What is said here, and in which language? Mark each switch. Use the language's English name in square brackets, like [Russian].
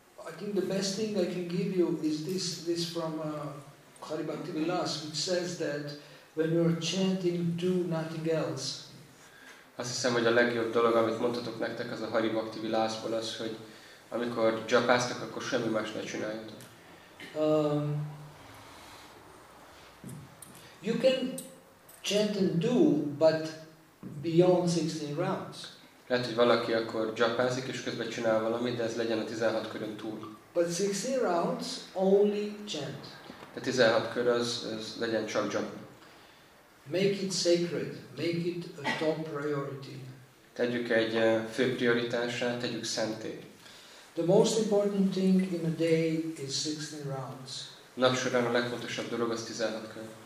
[English] I think the best thing I can give you is this from Hari Bhakti Vilas, which says that when you are chanting, do nothing else. [Hungarian] Azt hiszem, hogy a legjobb dolog, amit mondhatok nektek, az a Hari Bhakti Vilasból az, hogy amikor japáztak, akkor semmi más ne csináljatok. [English] You can chant and do, but beyond 16 rounds. [Hungarian] Lehet, hogy valaki akkor japázik, és közben csinál valamit, de ez legyen a 16 körön túl. [English] But 16 rounds only chant. [Hungarian] De 16 kör az legyen csak japa. [English] Make it sacred. Make it a top priority. [Hungarian] Tegyük egy fő prioritásra, tegyük szenté. [English] The most important thing in a day is 16 rounds. [Hungarian] Nap során a legfontosabb dolog az 16 kör.